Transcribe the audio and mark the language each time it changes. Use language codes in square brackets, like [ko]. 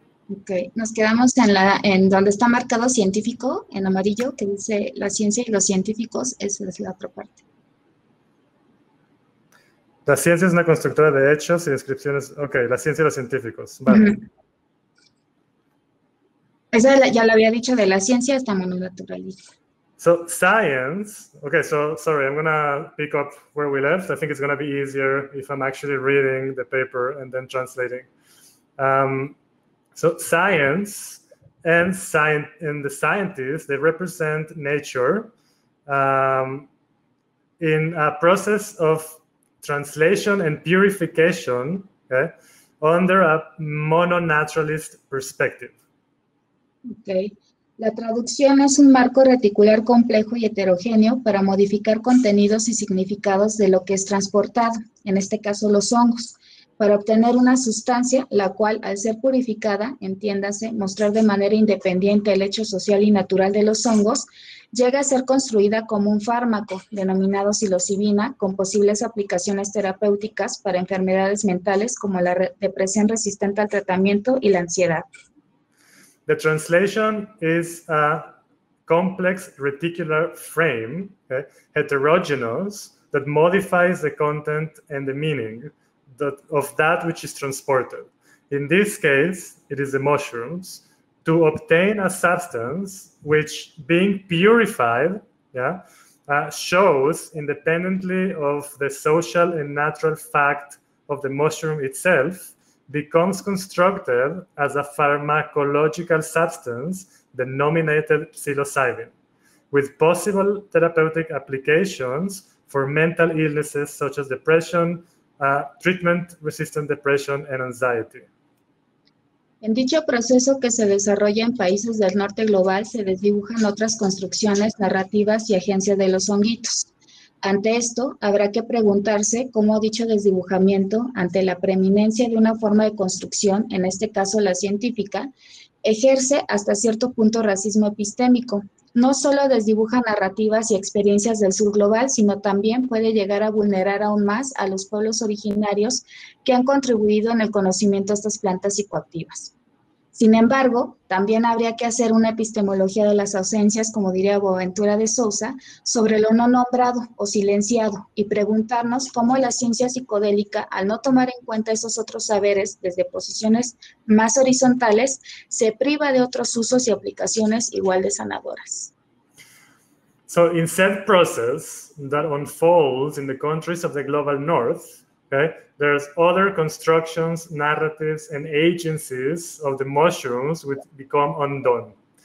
[es] Ok, nos quedamos en donde está marcado científico, en amarillo, que dice la ciencia y los científicos, esa es la otra parte. La ciencia es una constructora de hechos y descripciones. Ok, la ciencia y los científicos, vale. Uh-huh. Esa ya lo había dicho, de la ciencia está mononaturalista. [en] So, science, okay, so, sorry, I'm going to pick up where we left. I think it's going to be easier if I'm actually reading the paper and then translating. So, science and the scientists, they represent nature in a process of translation and purification, okay, under a mononaturalist perspective. Okay. [es] La traducción es un marco reticular complejo y heterogéneo para modificar contenidos y significados de lo que es transportado, en este caso los hongos, para obtener una sustancia la cual, al ser purificada, entiéndase, mostrar de manera independiente el hecho social y natural de los hongos, llega a ser construida como un fármaco denominado psilocibina con posibles aplicaciones terapéuticas para enfermedades mentales como la depresión resistente al tratamiento y la ansiedad. [en] The translation is a complex reticular frame, okay, heterogeneous, that modifies the content and the meaning of that which is transported. In this case, it is the mushrooms, to obtain a substance which, being purified, shows independently of the social and natural fact of the mushroom itself, becomes constructed as a pharmacological substance denominated psilocybin, with possible therapeutic applications for mental illnesses such as depression, treatment-resistant depression, and anxiety. [es] En dicho proceso que se desarrolla en países del norte global, se desdibujan otras construcciones, narrativas y agencias de los honguitos. Ante esto, habrá que preguntarse cómo dicho desdibujamiento, ante la preeminencia de una forma de construcción, en este caso la científica, ejerce hasta cierto punto racismo epistémico. No solo desdibuja narrativas y experiencias del sur global, sino también puede llegar a vulnerar aún más a los pueblos originarios que han contribuido en el conocimiento de estas plantas psicoactivas. Sin embargo, también habría que hacer una epistemología de las ausencias, como diría Boaventura de Sousa, sobre lo no nombrado o silenciado, y preguntarnos cómo la ciencia psicodélica, al no tomar en cuenta esos otros saberes desde posiciones más horizontales, se priva de otros usos y aplicaciones igual de sanadoras. [en] So, in said process that unfolds in the countries of the global north, Okay. There's other constructions, narratives, and agencies of the mushrooms which become undone.